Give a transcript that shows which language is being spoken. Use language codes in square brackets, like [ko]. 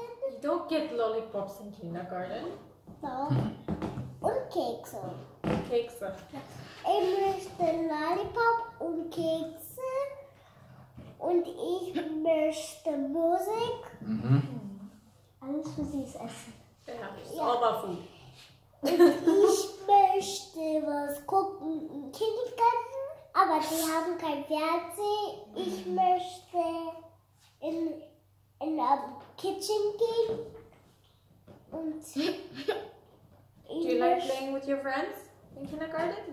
[en] You don't get lollipops in kindergarten. No. [de] Und Kekse. Kekse. Ich möchte Lollipop und Kekse. Und ich möchte Musik. Mm-hmm. Alles für sie ist Essen. Ja, aber Food. Und ich möchte was gucken im Kindergarten, aber die haben kein Fernsehen. Ich möchte in der Kitchen gehen. Und [en] do you like playing with your friends in kindergarten?